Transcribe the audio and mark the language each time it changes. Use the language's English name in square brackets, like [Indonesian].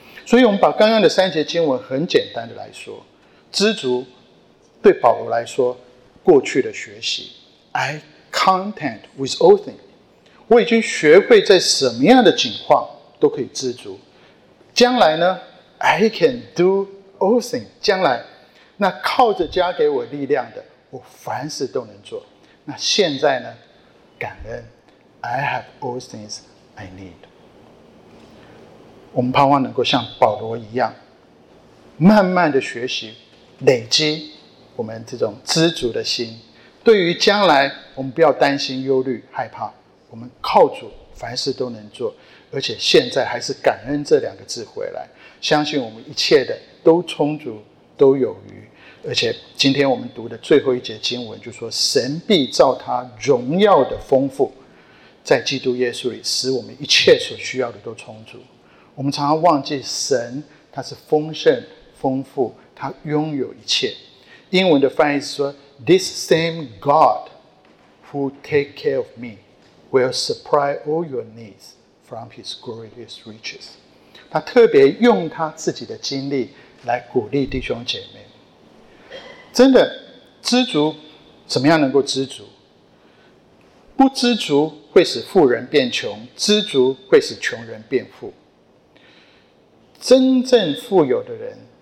[Chinese] 所以我们把刚刚的三节经文很简单的来说，知足对保罗来说，过去的学习 [English] I content with all things， [Chinese] 我已经学会在什么样的情况都可以知足。将来呢， [English] I can do all things， [Chinese] 将来那靠着加给我力量的，我凡事都能做。那现在呢，感恩 [English] I have all things I need。 [Chinese] 我们盼望能够像保罗一样，慢慢的学习累积我们这种知足的心，对于将来我们不要担心忧虑害怕，我们靠主凡事都能做，而且现在还是感恩这两个字回来，相信我们一切的都充足都有余。而且今天我们读的最后一节经文就说，神必照他荣耀的丰富在基督耶稣里使我们一切所需要的都充足。我们常常忘记神他是丰盛丰富，他拥有一切。英文的翻译是说， [English] This same God who take care of me will supply all your needs from his glorious riches。 [Chinese] 他特别用他自己的经历来鼓励弟兄姐妹。真的知足，怎么样能够知足？不知足会使富人变穷，知足会使穷人变富。真正富有的人